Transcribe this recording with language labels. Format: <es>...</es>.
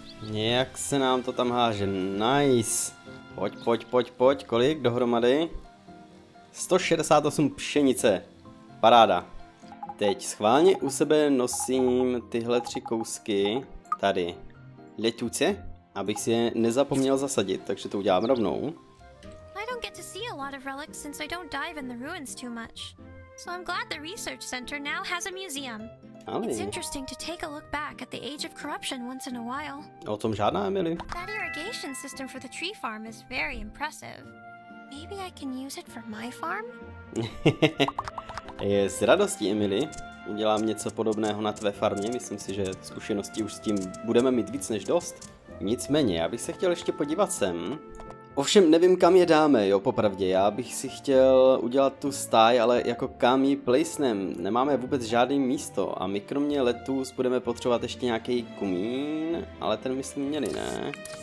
<cs>Nějak se nám to tam háže, nice. Pojď, kolik dohromady? 168 pšenice, paráda. Teď schválně u sebe nosím tyhle tři kousky tady. Letuce, abych si je nezapomněl zasadit, takže to udělám rovnou.</cs> <en>I don't get to see a lot of relics since I don't dive in the ruins too much. So I'm glad the research center now has a museum. Ale. It's interesting to take a look back at the age of corruption once in a while.</en> <cs>O tom žádná, Emily.</cs> <en>That irrigation system for the tree farm is very impressive. Maybe I can use it for my farm?</en> <cs>Je s radostí, Emily. Udělám něco podobného na tvé farmě. Myslím si, že zkušenosti už s tím budeme mít víc než dost. Nicméně, já bych se chtěl ještě podívat sem. Ovšem nevím, kam je dáme, jo, popravdě, já bych si chtěl udělat tu stáj, ale jako kam ji placenem, nemáme vůbec žádný místo a my kromě letus budeme potřebovat ještě nějaký kumín, ale ten myslím měli, ne?</cs>